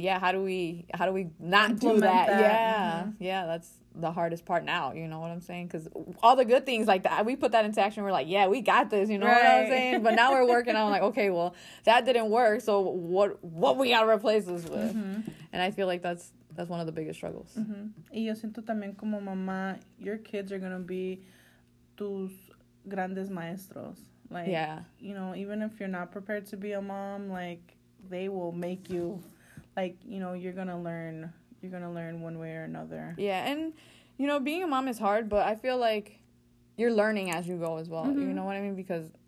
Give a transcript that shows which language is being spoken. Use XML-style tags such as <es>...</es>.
<en>Yeah, how do we not implement that? Yeah, that's the hardest part now, you know what I'm saying? Because all the good things, like, that we put that into action, we're like, yeah, we got this, you know what I'm saying? But now we're working on, like, okay, well, that didn't work, so what we gotta replace this with? And I feel like that's one of the biggest struggles.</en> <es>Y yo siento también como mamá,</es> <en>your kids are gonna be</en> <es>tus grandes maestros.</es> <en>Like, you know, even if you're not prepared to be a mom, like, they will make you, like, you know, you're gonna learn one way or another. Yeah, and, you know, being a mom is hard, but I feel like you're learning as you go as well. You know what I mean? Because,</en>